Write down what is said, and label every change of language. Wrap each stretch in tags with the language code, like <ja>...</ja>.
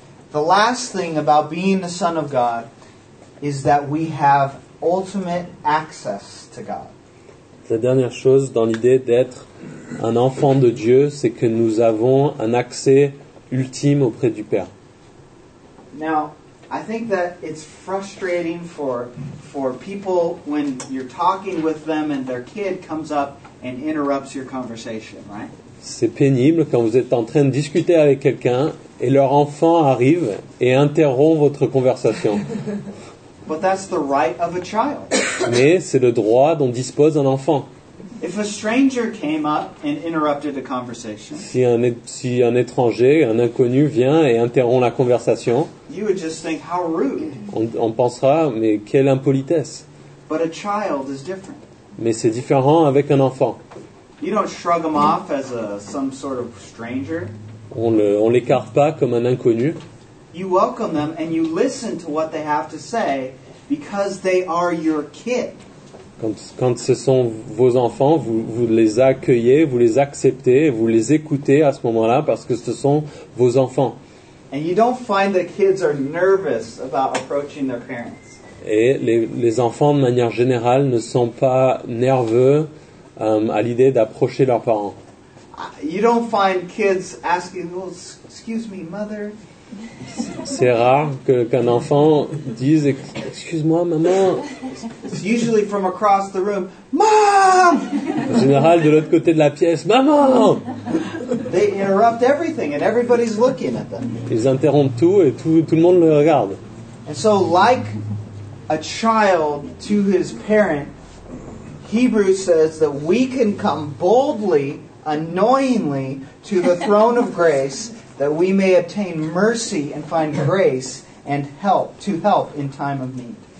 <en>The last thing about being the son of God is that we have ultimate access to God.</en> <fr>La dernière chose dans l'idée d'être un enfant de Dieu, c'est que nous avons un accès ultime auprès du Père.</fr> <en>Now, I think that it's frustrating for people when you're talking with them and their kid comes up and interrupts your conversation, right?</en> <fr>C'est pénible quand vous êtes en train de discuter avec quelqu'un et leur enfant arrive et interrompt votre conversation.</fr> <en>But that's the right of a child.</en> <fr>Mais c'est le droit dont dispose un enfant.</fr> <en>If a stranger came up and interrupted the conversation,</en> <fr>si un étranger, un inconnu vient et interrompt la conversation,</fr> <en>you would just think how rude.</en> <fr>On pensera, mais quelle impolitesse.</fr> <en>But a child is different.</en> <fr>Mais c'est différent avec un enfant.</fr> <en>You don't shrug him off as some sort of stranger.</en> <fr>On l'écarte pas comme un inconnu.</fr> <en>You welcome them and you listen to what they have to say because they are your kid.</en> <fr>Quand ce sont vos enfants, vous les accueillez, vous les acceptez, vous les écoutez à ce moment-là parce que ce sont vos enfants.</fr> <en>And you don't find that kids are nervous about approaching their parents.</en> <fr>Et les enfants, de manière générale, ne sont pas nerveux à l'idée d'approcher leurs parents.</fr> <en>You don't find kids asking, well, excuse me, mother.</en> <fr>C'est rare qu'un enfant dise, excuse-moi, maman.</fr> <en>It's usually from across the room, mom!</en> <fr>En général, de l'autre côté de la pièce, maman!</fr> <en>They interrupt everything and everybody's looking at them.</en> <fr>Ils interrompent tout et tout le monde le regarde.</fr> <en>And so, like a child to his parent, Hebrews says that we can come boldly, annoyingly, to the throne of grace, that we may obtain mercy and find grace and help to help in time of need.</en>